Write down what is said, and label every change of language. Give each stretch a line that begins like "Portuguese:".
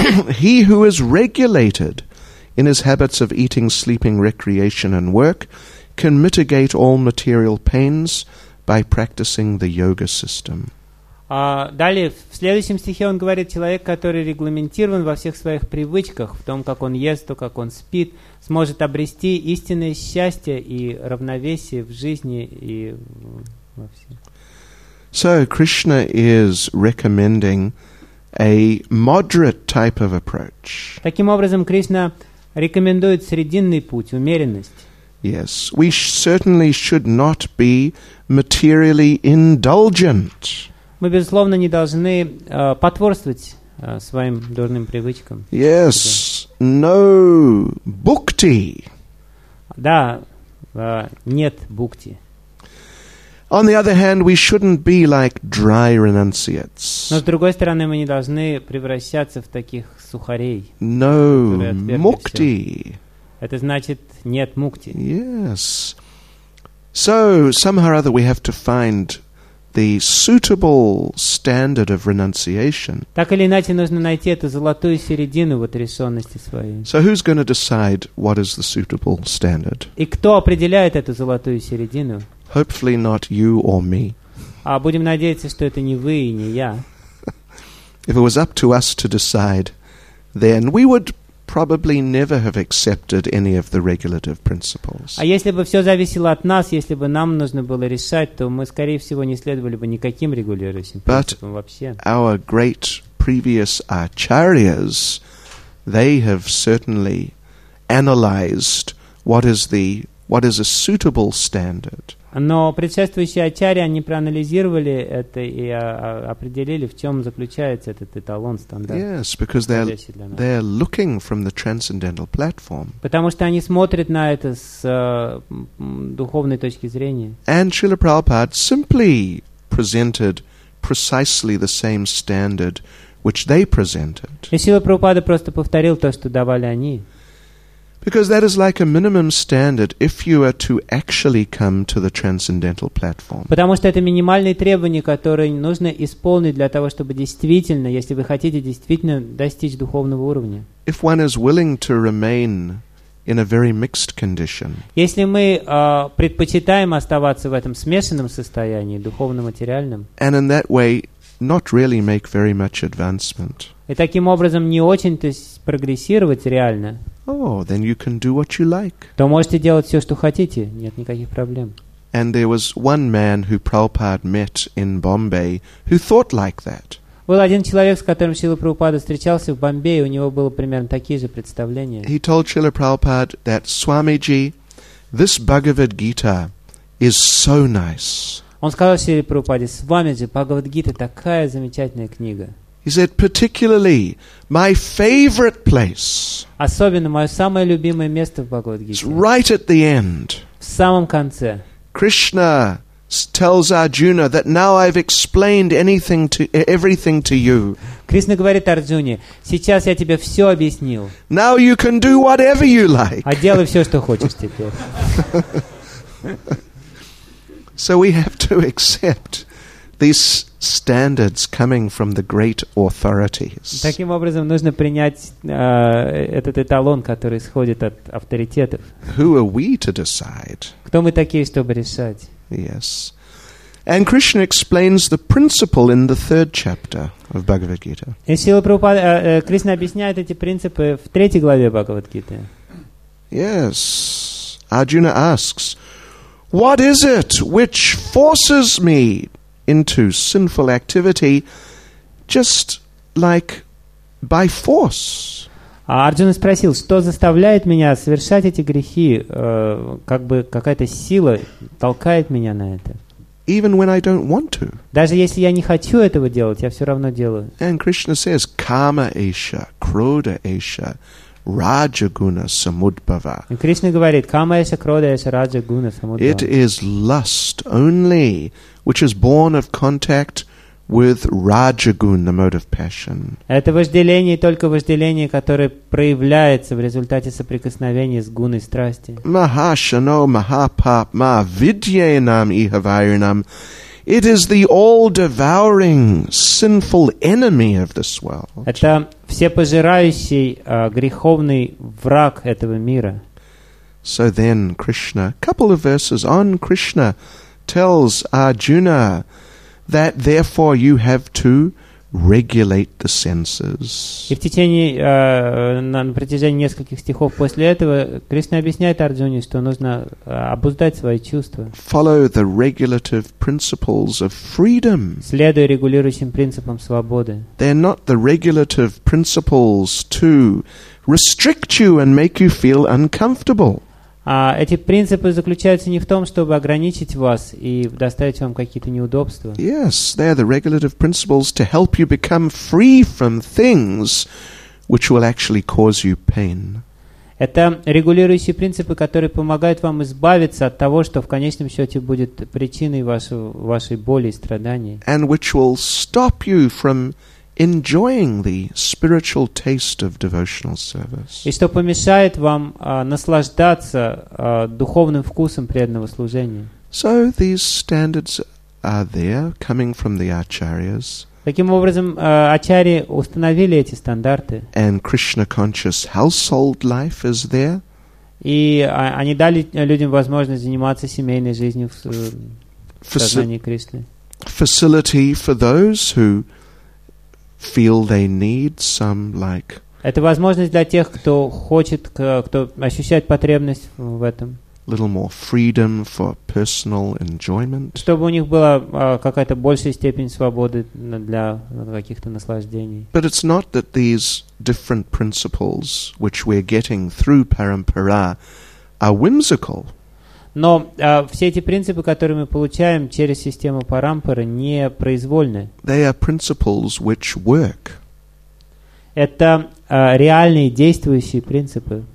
English: He who is regulated in his habits of eating, sleeping, recreation and work can mitigate all material pains by practicing the yoga system.
Russian: Далее, в следующем стихе он говорит, человек, который регламентирован во всех своих привычках, в том, как он ест, то, как он спит, сможет обрести истинное счастье и равновесие в жизни и во всем.
English: So, Krishna is recommending a moderate type of approach.
Russian: Таким образом, Кришна рекомендует срединный путь, умеренность.
English: Yes, we certainly should not be materially indulgent.
Russian: Мы безусловно не должны потворствовать своим дурным привычкам.
English: Yes, no bhukti.
Russian: Да, нет бхукти.
English: On the other hand, we shouldn't be like dry renunciates.
Russian: Но с другой стороны, мы не должны превращаться в таких сухарей.
English: No mukti.
Russian: Это значит нет мукти.
English: Yes. So somehow or other we have to find the suitable standard of renunciation.
Russian: Так или иначе нужно найти эту золотую середину в отрешенности своей.
English: So who's going to decide what is the suitable standard?
Russian: И кто определяет эту золотую середину?
English: Hopefully not you or me.
Russian: А будем надеяться, что это не вы и не я.
English: If it was up to us to decide, then we would probably never have accepted any of the regulative principles.
Russian: А если бы все зависело от нас, если бы нам нужно было решать, то мы, скорее всего, не следовали бы никаким регулирующим принципам вообще.
English: But our great previous acharyas, they have certainly analyzed what is a suitable standard.
Russian: Но предшествующие ачарьи, они проанализировали это и определили, в чем заключается этот эталон, стандарт.
English: Yes, because they're looking from the transcendental platform.
Russian: Потому что они смотрят на это с духовной точки зрения.
English: And Srila Prabhupada simply presented precisely the same standard which they presented.
Russian: И Srila Prabhupada просто повторил то, что давали они.
English: Because that is like a minimum standard if you are to actually come to the transcendental platform.
Russian: Потому что это минимальные требования, которые нужно исполнить для того, чтобы действительно, если вы хотите действительно достичь духовного уровня.
English: If one is willing to remain in a very mixed condition.
Russian: Если мы предпочитаем оставаться в этом смешанном состоянии, духовно-материальном.
English: And in that way not really make very much advancement.
Russian: И таким образом не очень-то прогрессировать реально.
English: Oh, then you can do what you like.
Russian: То можете делать все, что хотите, нет никаких проблем.
English: And there was one man who Prabhupada met in Bombay who thought like that.
Russian: Был один человек, с которым Шрила Прабхупада встречался в Бомбее, у него было примерно такие же представления.
English: He told Srila Prabhupada that Swamiji, this Bhagavad Gita is so nice.
Russian: Он сказал Шриле Прабхупаде: Свамиджи, Бхагавад Гита такая замечательная книга.
English: He said, particularly my favorite place.
Russian: Особенно мое самое любимое место в Бхагавад-гите.
English: Right at the end.
Russian: В самом конце.
English: Krishna tells Arjuna that now I've explained everything to you.
Russian: Кришна говорит Арджуне: сейчас я тебе все объяснил.
English: Now you can do whatever you like.
Russian: А делай все, что хочешь теперь.
English: So we have to accept these standards coming from the great authorities.
Russian: Таким образом, нужно принять этот эталон, который исходит от авторитетов.
English: Who are we to decide?
Russian: Кто мы такие, чтобы решать?
English: Yes. And Krishna explains the principle in the third chapter of Bhagavad Gita.
Russian: Кришна объясняет эти принципы в третьей главе Бхагавад Гиты.
English: Yes. Arjuna asks, "What is it which forces me into sinful activity, just like by force?"
Russian: Арджуна спросил, что заставляет меня совершать эти грехи, как бы какая-то сила толкает меня на это.
English: Even when I don't want to.
Russian: Даже если я не хочу этого делать, я все равно делаю.
English: And Krishna says,
Sanskrit: "Kama esha, krodha esha, rajaguna samudbhava."
Russian: И Кришна говорит,
Sanskrit: "Kama esha, krodha esha, rajaguna samudbhava."
English: It is lust only which is born of contact with Rajagun, the mode of passion.
Russian: Это вожделение, только вожделение, которое проявляется в результате соприкосновения с гуной страсти.
Sanskrit: Mahashano mahapap ma vidyenam ihavairinam.
English: It is the all-devouring sinful enemy of this world.
Russian: Это всепожирающий греховный враг этого мира.
English: So then Krishna, a couple of verses on Krishna, tells Arjuna that therefore you have to regulate the senses.
Russian: И в течение на протяжении нескольких стихов после этого Кришна объясняет Арджуне, что нужно обуздать свои чувства.
English: Follow the regulative principles of freedom.
Russian: Следуй регулирующим принципам свободы.
English: They're not the regulative principles to restrict you and make you feel uncomfortable.
Russian: Эти принципы заключаются не в том, чтобы ограничить вас и доставить вам какие-то неудобства.
English: Yes, they are the regulative principles to help you become free from things which will actually cause you pain.
Russian: Это регулирующие принципы, которые помогают вам избавиться от того, что в конечном счете будет причиной вашей боли и страданий.
English: And which will stop you from enjoying the spiritual taste of devotional service.
Russian: И что помешает вам наслаждаться духовным вкусом преданного служения.
English: So these standards are there, coming from the acharyas.
Russian: Таким образом, ачарьи установили эти стандарты.
English: And Krishna conscious household life is there.
Russian: И они дали людям возможность заниматься семейной жизнью в сознании Кришны.
English: Facility for those who feel they need some like.
Russian: Это возможность для тех, кто хочет, кто ощущает потребность в этом.
English: Little more freedom for personal enjoyment.
Russian: Чтобы у них была какая-то большая степень свободы для каких-то наслаждений.
English: But it's not that these different principles, which we're getting through Parampara, are whimsical.
Russian: Но все эти принципы, которые мы получаем через систему Парампара, не произвольны.
English: They are principles which work.
Russian: Это реальные действующие принципы.